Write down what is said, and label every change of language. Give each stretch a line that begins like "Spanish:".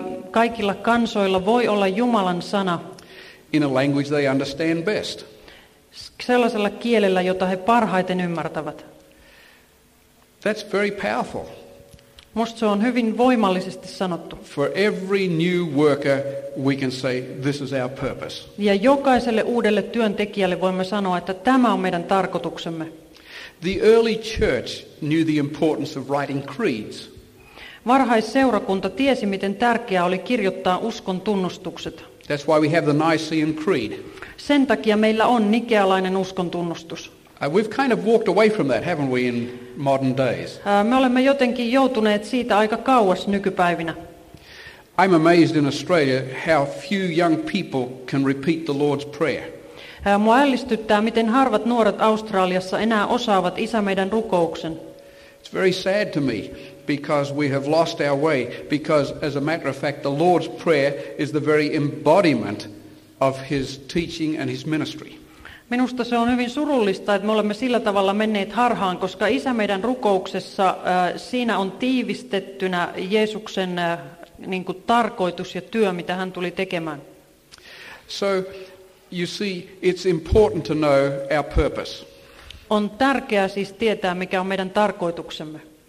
Finnish: kaikilla kansoilla voi olla Jumalan sana,
English: in a language they understand best,
Finnish: sellaisella kielellä, jota he parhaiten ymmärtävät.
English: That's very powerful.
Finnish: Musta se on hyvin voimallisesti sanottu.
English: For every new worker, we can say this is our purpose.
Finnish: Ja jokaiselle uudelle työntekijälle voimme sanoa, että tämä on meidän tarkoituksemme.
English: The early church knew the importance of writing creeds.
Finnish: Varhaisseurakunta tiesi, miten tärkeää oli kirjoittaa uskon tunnustukset.
English: That's why we have the Nicene Creed.
Finnish: Sen takia meillä on nikealainen uskon tunnustus.
English: We've kind of walked away from that, haven't we, in modern days?
Finnish: Me olemme jotenkin joutuneet siitä aika kauas nykypäivinä.
English: I'm amazed in Australia how few young people can repeat the Lord's Prayer.
Finnish: Mua ällistyttää, miten harvat nuoret Australiassa enää osaavat Isämeidän rukouksen.
English: It's very sad to me because we have lost our way, because as a matter of fact the Lord's Prayer is the very embodiment of his teaching and his ministry.
Finnish: Minusta se on hyvin surullista, että me olemme sillä tavalla menneet harhaan, koska Isämeidän rukouksessa siinä on tiivistettynä Jeesuksen niin kuin tarkoitus ja työ, mitä hän tuli tekemään.
English: So you see, it's important to know our purpose.
Finnish: On tärkeää siis tietää, mikä on meidän tarkoituksemme.